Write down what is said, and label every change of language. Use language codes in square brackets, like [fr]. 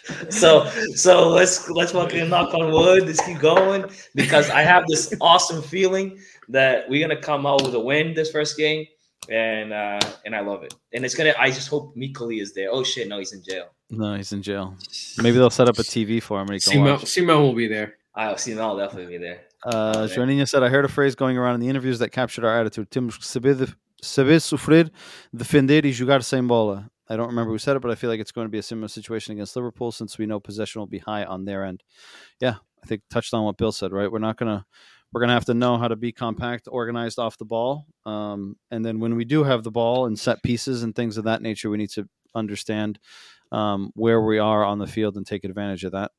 [en] So let's fucking knock on wood. Let's keep going because I have this awesome feeling that we're going to come out with a win this first game. And I love it. And it's going to – I just hope Mikkoli is there. Oh, shit. No, he's in jail. No, he's in jail. Maybe they'll set up a TV for him. Simon will be there. Simon will definitely be there. Joaninha said, I heard a phrase going around in the interviews that captured our attitude. [pt] Temos que saber sofrer, defender e jogar sem bola. [en] I don't remember who said it, but I feel like it's going to be a similar situation against Liverpool since we know possession will be high on their end. Yeah, I think touched on what Bill said, right? We're going to have to know how to be compact, organized off the ball. And then when we do have the ball and set pieces and things of that nature, we need to understand where we are on the field and take advantage of that.